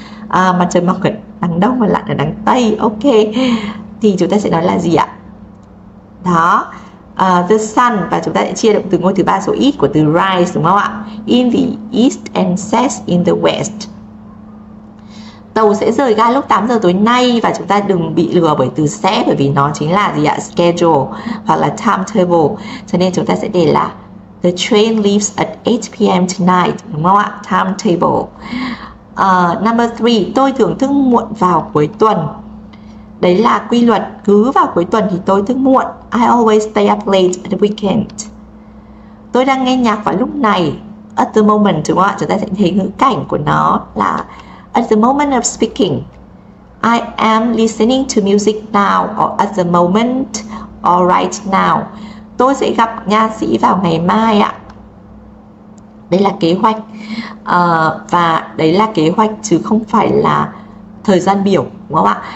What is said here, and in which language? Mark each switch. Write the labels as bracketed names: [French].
[Vietnamese] Mặt trời mọc ở đằng đông và lặn ở đằng tây, ok, thì chúng ta sẽ nói là gì ạ? Đó, the sun, và chúng ta sẽ chia động từ ngôi thứ ba số ít của từ rise đúng không ạ? [English] In the east and sets in the west. [Vietnamese] Tàu sẽ rời ga lúc 8 giờ tối nay, và chúng ta đừng bị lừa bởi từ sẽ, bởi vì nó chính là gì ạ? Schedule hoặc là timetable, cho nên chúng ta sẽ để là [English] the train leaves at 8 p.m. [Vietnamese] tonight đúng không ạ? Timetable. Number 3, tôi thường thức muộn vào cuối tuần. Đấy là quy luật, cứ vào cuối tuần thì tôi thức muộn. [English] I always stay up late at the weekend. [Vietnamese] Tôi đang nghe nhạc vào lúc này. At the moment, đúng không ạ? Chúng ta sẽ thấy ngữ cảnh của nó là [English] at the moment of speaking. I am listening to music now, or at the moment, or right now. [Vietnamese] Tôi sẽ gặp nhạc sĩ vào ngày mai ạ. Đây là kế hoạch, và đấy là kế hoạch chứ không phải là thời gian biểu đúng không ạ?